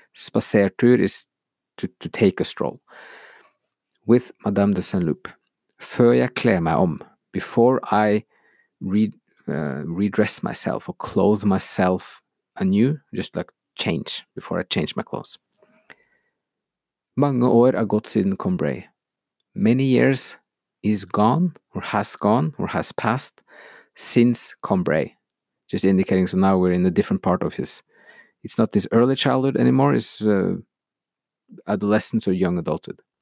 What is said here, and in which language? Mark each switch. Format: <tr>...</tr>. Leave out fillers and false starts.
<en>Spasertur is to take a stroll. With Madame de Saint-Loup.</en> <no>Før jeg klær meg om.</no> <en>Before I redress myself or clothe myself anew. Just like change, before I change my clothes.</en> <no>Mange år har gått siden Combray.</no> <en>Many years is gone or has passed since Combray. Just indicating, so now we're in a different part of his. It's not his early childhood anymore, it's adolescence or young adulthood.</en>